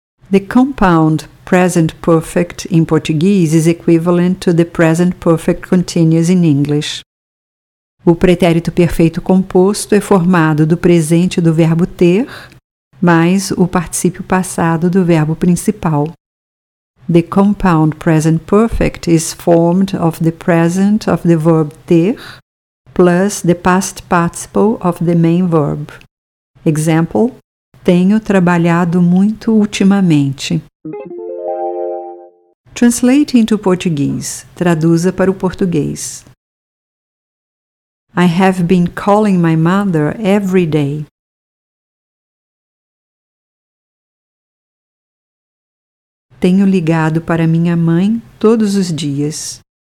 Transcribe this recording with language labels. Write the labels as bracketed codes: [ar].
[en] The compound present perfect in Portuguese is equivalent to the present perfect continuous in English. [pt] O pretérito perfeito composto é formado do presente do verbo ter mais o particípio passado do verbo principal. [en] The compound present perfect is formed of the present of the verb ter plus the past participle of the main verb. Example: [pt] Tenho trabalhado muito ultimamente. [en] Translate into Portuguese. [pt] Traduza para o português. [en] I have been calling my mother every day. [pt] Tenho ligado para minha mãe todos os dias.